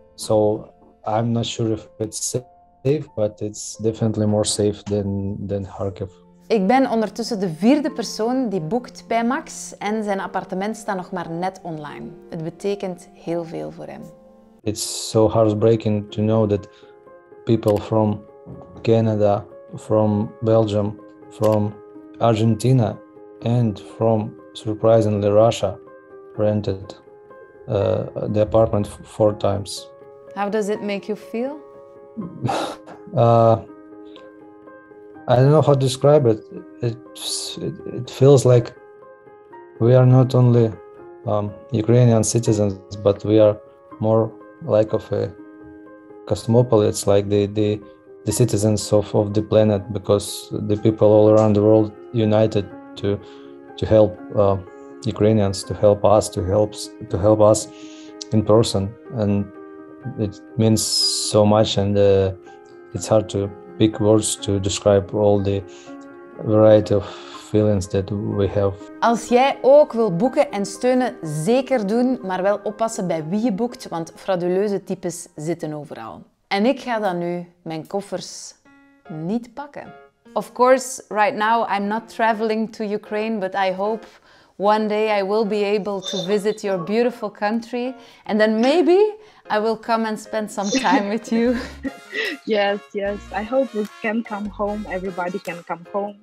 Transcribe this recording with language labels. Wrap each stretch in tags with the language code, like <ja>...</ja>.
<en>So I'm not sure if it's safe, but it's definitely more safe than Kharkiv.</en> <nl>Ik ben ondertussen de 4e persoon die boekt bij Max en zijn appartement staat nog maar net online. Het betekent heel veel voor hem.</nl> <en>It's so heartbreaking to know that people from Canada, from Belgium, from Argentina and from surprisingly Russia rented the apartment 4 times. How does it make you feel? I don't know how to describe it. It feels like we are not only Ukrainian citizens, but we are more like of a cosmopolitan. It's like the citizens of the planet, because the people all around the world united to help Ukrainians, to help us in person. And it means so much, and it's hard to pick words to describe all the variety of feelings that we have.</en> <nl>Als jij ook wil boeken en steunen, zeker doen, maar wel oppassen bij wie je boekt, want frauduleuze types zitten overal. En ik ga dan nu mijn koffers niet pakken.</nl> <en>Of course, right now I'm not traveling to Ukraine, but I hope one day I will be able to visit your beautiful country and then maybe I will come and spend some time with you. Yes, yes. I hope we can come home. Everybody can come home.</en>